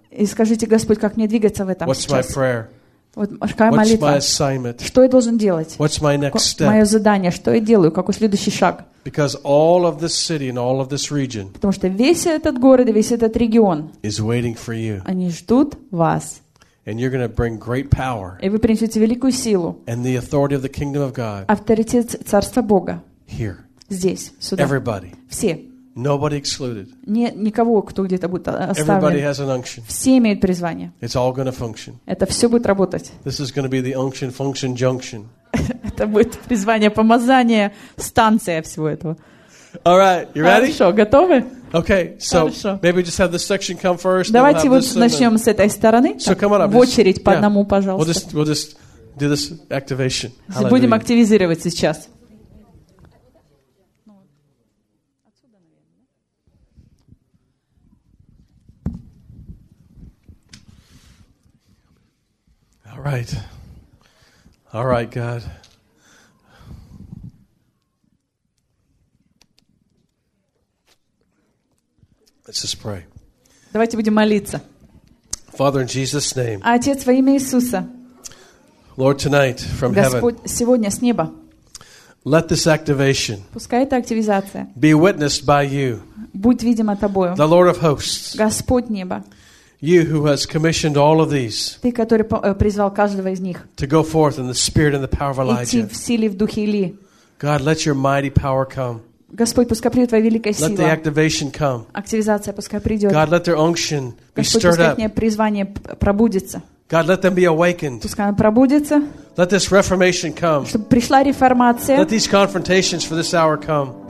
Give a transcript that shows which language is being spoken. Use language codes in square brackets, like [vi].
[ru] И скажите, Господь, как мне двигаться в этом сейчас? [en] What's my prayer? [ru] Вот какая [en] What's [ru] молитва? [en] My assignment? [ru] Что я должен делать? [en] What's my next step? [ru] Мое задание, что я делаю, какой следующий шаг? [en] Because all of this city and all of this region. [ru] Потому что весь этот город и весь этот регион. [en] Is waiting for you. [ru] Они ждут вас. [en] And you're going to bring great power. [ru] И вы принесете великую силу. [en] And the authority of the kingdom of God. [ru] Авторитет царства Бога. [en] Here. [ru] Здесь, сюда. [en] Everybody. [ru] Все. [en] Nobody excluded. [ru] Нет никого, кто где-то будет оставлен. [en] Everybody has an unction. [ru] Все имеют призвание. [en] It's all going to function. [ru] Это все будет работать. [en] This is going to be the unction function junction. [ru] Это будет призвание, помазание, станция всего этого. [en] All right, you ready? [ru] Хорошо, готовы? [en] Okay, so maybe just have this section come first. [ru] Давайте вот начнем с этой стороны. [en] So come on up. [ru] В очередь по одному, пожалуйста. [en] We'll just do this activation. [ru] Будем активизировать сейчас. [en] Right. All right, God. Let's just pray. [ru] Давайте будем молиться. [en] Father, in Jesus' name. [ru] Отец, во имя Иисуса. [en] Lord, tonight from heaven. [ru] Господь, сегодня с неба. [en] Let this activation. [ru] Пускай эта активизация. [en] Be witnessed by you. [ru] Будь видима тобою. [en] The Lord of hosts. [ru] Господь неба. [en] You who has commissioned all of these. [ru] Ты, который призвал каждого из них. [en] To go forth in the spirit and the power of Elijah. [ru] Идти в силе, в духе Илии. [en] God, let your mighty power come. [ru] Господь, пускай придет твоя великая сила. [en] Let the activation come. [ru] Активизация пускай придет. [en] God, let their unction be stirred up. [ru] Пускай призвание пробудится. [en] God, let them be awakened. [ru] Пускай оно пробудится. [en] Let this reformation come. [ru] Чтобы пришла реформация. [en] Let these confrontations for this hour come.